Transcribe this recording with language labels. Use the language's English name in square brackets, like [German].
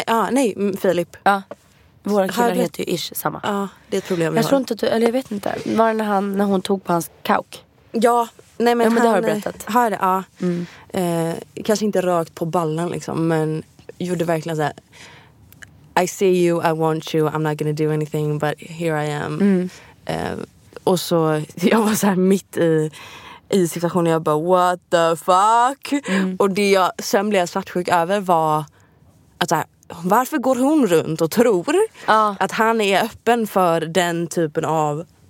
[Swedish] Nej, Filip. Ja. Våra killar heter ju ish samma. Ja, det är ett problem jag tror har. Inte att du, eller jag vet inte. Var det när hon tog på hans kauk? Ja, nej men, ja, men han, det har du berättat. Här, ja. Kanske inte rakt på ballen liksom, men gjorde verkligen så här. [English] I see you, I want you, I'm not gonna do anything, but here I am. [Swedish] Mm. Och så, jag var så här mitt i situationen, jag bara, [English] what the fuck? [Swedish] Mm. Och det jag sen blev svartsjuk över var att så här, varför går hon runt och tror att han är öppen för den typen av